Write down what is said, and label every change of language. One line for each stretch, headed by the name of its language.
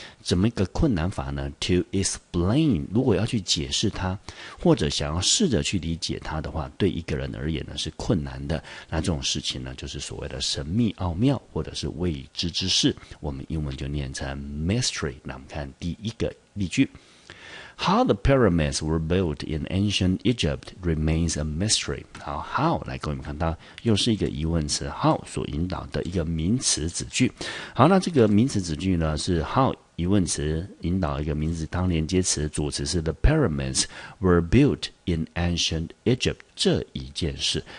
Chinese: 怎么一个困难法呢？
English: to explain，
Chinese: 如果要去解释它或者想要试着去理解它的话，对一个人而言呢是困难的。那这种事情呢就是所谓的神秘奥妙或者是未知之事，我们英文就念成 mystery。那我们看第一个例句。
English: How the pyramids were built in ancient Egypt remains a mystery.
Chinese: 好， how， 来各位们看到又是一个疑问词， how 所引导的一个名词子句。好，那这个名词子句呢是 how 疑问词引导一个名词当连接词，主词是
English: the pyramids were built in ancient Egypt
Chinese: 这一件事。